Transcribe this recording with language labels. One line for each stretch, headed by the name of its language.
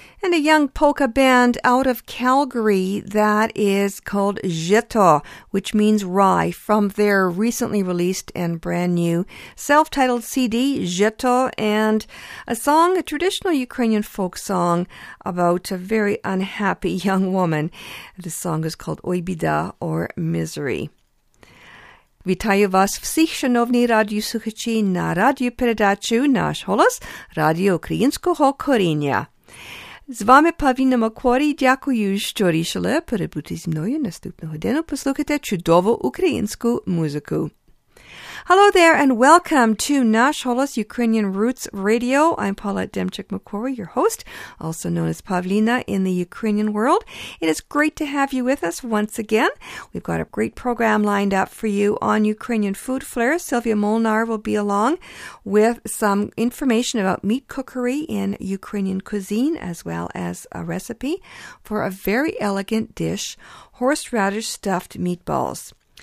English: Young polka band out of Calgary that is called Jeto, which means rye, from their recently released and brand new self-titled CD, Jeto, and a song, a traditional Ukrainian folk song about a very unhappy young woman. The song is called Oy Bida, or Misery.
Ukrainian: Вітаю вас всіх, шановні радіослухачі, на радіопередачу «Наш голос» Радіо Українського коріння. З вами Павіна Макворі. Дякую, що рішили перебути зі мною наступну годину. Послухайте чудову українську музику.
English: Hello there and welcome to Nash Holos Ukrainian Roots Radio. I'm Paulette Demchuk-McCory, your host, also known as Pavlina in the Ukrainian world. It is great to have you with us once again. We've got a great program lined up for you on Ukrainian food flair. Sylvia Molnar will be along with some information about meat cookery in Ukrainian cuisine, as well as a recipe for a very elegant dish, horseradish stuffed meatballs.